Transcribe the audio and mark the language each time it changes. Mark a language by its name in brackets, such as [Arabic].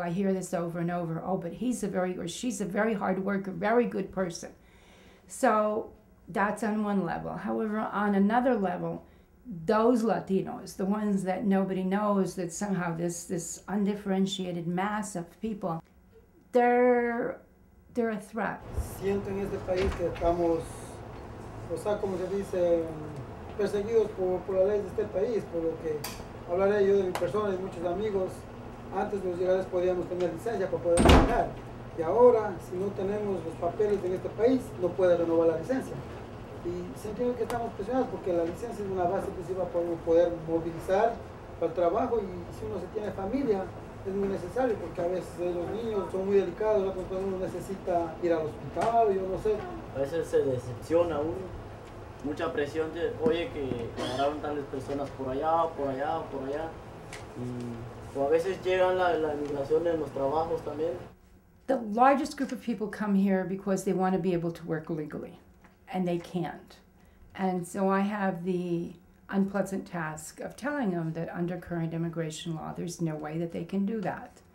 [English] I hear this over and over. Oh, but he's a very, or she's a very hard worker, very good person. So that's on one level. However, on another level, those Latinos, the ones that nobody knows, that somehow this undifferentiated mass of people, they're a threat. [Spanish] Siento en este país que estamos, o sea, como se dice, perseguidos por la ley de este país, por lo que hablaré yo de mi persona y muchos amigos. Antes de los ilegales podíamos tener licencia para poder trabajar. Y ahora, si no tenemos los papeles en este país, no puede renovar la licencia. Y sentimos que estamos presionados porque la licencia es una base principal para poder movilizar para el trabajo. Y si uno se tiene familia, es muy necesario porque a veces los niños son muy delicados, ¿no? Entonces uno necesita ir al hospital, yo no sé. A veces se decepciona uno. Mucha presión de, oye, que agarraron tales personas por allá. O a veces llegan la inmigración en los trabajos también. [English] The largest group of people come here because they want to be able to work legally, and they can't. And so I have the unpleasant task of telling them that under current immigration law, there's no way that they can do that.